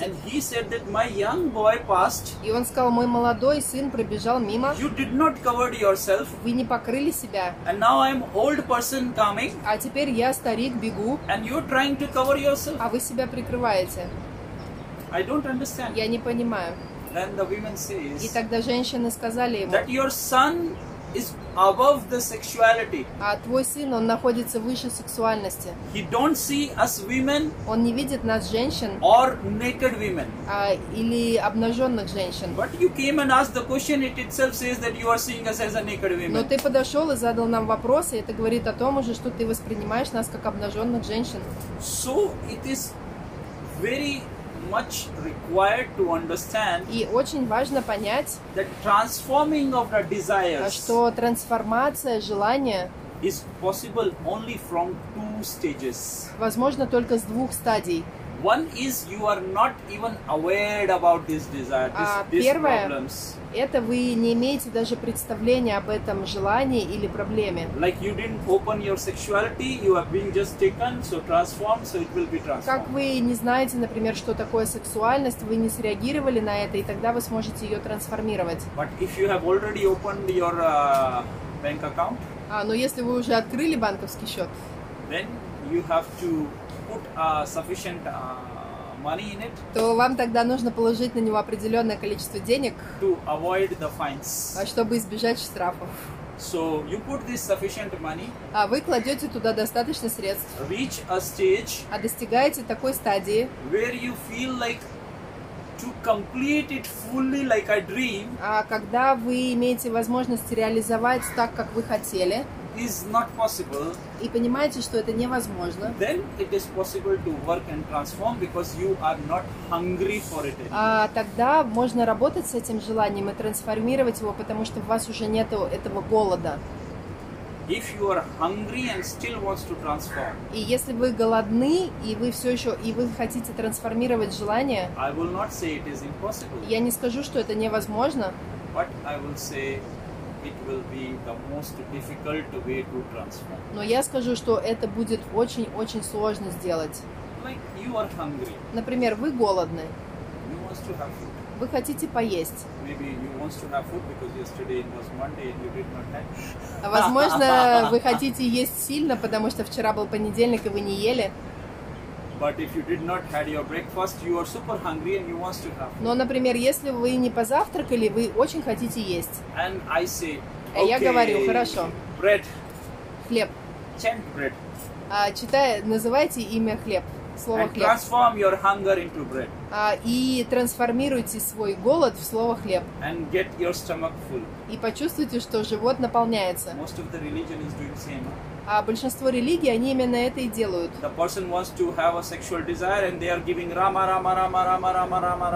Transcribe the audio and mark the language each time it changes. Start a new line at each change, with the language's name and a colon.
English: And he said that my young boy passed.
Russian: И он сказал, мой молодой сын пробежал мимо.
English: You did not cover yourself.
Russian: Вы не покрыли себя.
English: And now I'm old person coming.
Russian: А теперь я старик бегу.
English: And you're trying to cover yourself.
Russian: А вы себя прикрываете.
English: I don't understand.
Russian: Я не понимаю.
English: Then the women says.
Russian: И тогда женщины сказали ему.
English: That your son is above the sexuality.
Russian: А твой сын, он находится выше сексуальности.
English: He don't see us women.
Russian: Он не видит нас женщин.
English: Or naked women.
Russian: Или обнаженных женщин.
English: But you came and asked the question. It itself says that you are seeing us as a naked women.
Russian: Но ты подошел и задал нам вопрос, и это говорит о том уже, что ты воспринимаешь нас как обнаженных женщин.
English: So it is very much required to understand.
Russian: И очень важно понять,
English: that transforming of the desires,
Russian: что трансформация желания,
English: is possible only from two stages.
Russian: Возможно только с двух стадий.
English: One is you are not even aware about this desire, these problems.
Russian: Это вы не имеете даже представления об этом желании или проблеме.
English: Like you didn't open your sexuality, you are being just taken, so transformed, so it will be transformed.
Russian: Как вы не знаете, например, что такое сексуальность, вы не среагировали на это, и тогда вы сможете ее трансформировать.
English: But if you have already opened your bank account,
Russian: но если вы уже открыли банковский счет,
English: then you have to put sufficient money in it,
Russian: то вам тогда нужно положить на него определенное количество денег,
English: to avoid the fines,
Russian: чтобы избежать штрафов.
English: So you put this sufficient money,
Russian: вы кладете туда достаточно средств,
English: reach a stage,
Russian: достигаете такой стадии,
English: where you feel like to complete it fully like a dream,
Russian: когда вы имеете возможность реализовать так, как вы хотели,
English: is not possible.
Russian: И понимаете, что это невозможно.
English: Then it is possible to work and transform because you are not hungry for it.
Russian: Тогда можно работать с этим желанием и трансформировать его, потому что у вас уже нету этого голода.
English: If you are hungry and still wants to transform.
Russian: И если вы голодны и вы все еще и вы хотите трансформировать желание.
English: I will not say it is impossible.
Russian: Я не скажу, что это невозможно.
English: But I will say it will be the most difficult way to transform.
Russian: Но я скажу, что это будет очень-очень сложно сделать.
English: Like you are hungry.
Russian: Например, вы голодны.
English: You want to have food.
Russian: Вы хотите поесть.
English: Maybe you want to have food because yesterday it was Monday and you did not have.
Russian: Возможно, вы хотите есть сильно, потому что вчера был понедельник и вы не ели.
English: But if you did not have your breakfast, you are super hungry and you want to have food.
Russian: Но, например, если вы не позавтракали, вы очень хотите есть.
English: And I say,
Russian: я говорю, хорошо.
English: Bread.
Russian: Хлеб.
English: Chant bread.
Russian: Читай, называйте имя хлеб. Слово
English: and
Russian: хлеб.
English: Transform your hunger into bread.
Russian: И трансформируйте свой голод в слово хлеб.
English: And get your stomach full.
Russian: И почувствуйте, что живот наполняется.
English: Most of the religion is doing same.
Russian: А большинство религий, они именно это и делают.
English: The person wants to have a sexual desire and they are giving rama rama rama rama rama rama.